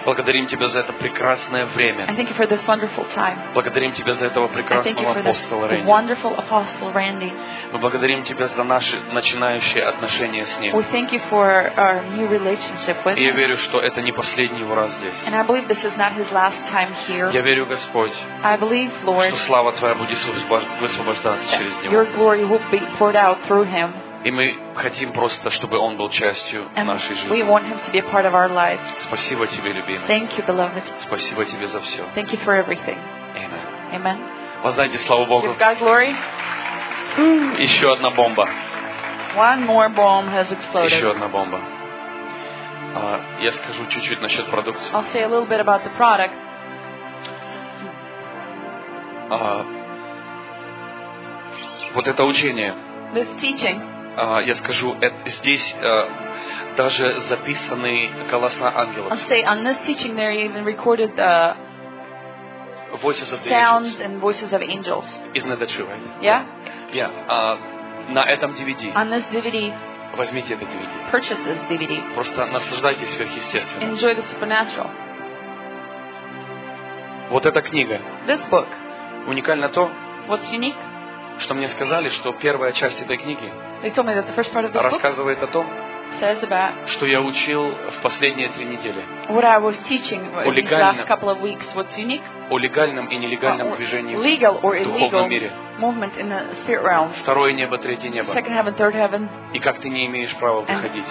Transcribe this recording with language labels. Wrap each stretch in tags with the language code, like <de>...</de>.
<ru>Благодарим тебя за это прекрасное время.</ru> <en>I thank you for this wonderful time.</en> <ru>Благодарим тебя за этого прекрасного апостола Рэнди.</ru> <en>Wonderful apostle Randy.</en> <ru>Мы благодарим тебя за наши начинающие отношения с ним.</ru> <en>We thank you for our new relationship with him.</en> <ru>Я верю, что это не последний его раз здесь.</ru> <en>And I believe this is not his last time here.</en> <ru>Я верю, Господь.</ru> <en>I believe, Lord,</en> <ru>что слава твоя будет высвобождаться через него.</ru> <en>Your glory will be poured out through him.</en> <ru>И мы хотим просто, чтобы Он был частью нашей жизни.</ru> <en>We want Him to be a part of our lives.</en> <ru>Спасибо Тебе, любимый.</ru> <en>Thank you, beloved.</en> <ru>Спасибо Тебе за все.</ru> <en>Thank you for everything. Amen. Amen.</en> <ru>Воздайте славу Богу.</ru> <en>Give God glory.</en> <ru>Еще одна бомба.</ru> <en>One more bomb has exploded.</en> <ru>Еще одна бомба. Я скажу чуть-чуть насчет продукции.</ru> <en>I'll say a little bit about the product.</en> <ru>Вот это учение.</ru> <en>This teaching.</en> <ru>Я скажу, здесь даже записаны голоса ангелов.</ru> <en>I'll say on this teaching there even recorded voices of sounds the and voices of angels. Isn't that true, right? Yeah.</en> <ru>Yeah. На этом DVD.</ru> <en>On this DVD.</en> <ru>Возьмите этот DVD.</ru> <en>Purchase this DVD.</en> <ru>Просто наслаждайтесь сверхъестественным.</ru> <en>Enjoy the supernatural.</en> <ru>Вот эта книга.</ru> <en>This book.</en> <ru>Уникально то.</ru> <en>What's unique?</en> <ru>Что мне сказали, что первая часть этой книги рассказывает о том, что я учил в последние три недели.</ru> <en>What I was teaching in the last couple of weeks, what's unique?</en> <ru>О легальном и нелегальном движении</ru> <en>legal or</en> <ru>в духовном мире.</ru> <en>Movement in the spirit realm.</en> <ru>Второе небо, третье небо.</ru> <en>Second heaven, third heaven.</en> <ru>И как ты не имеешь права выходить.</ru>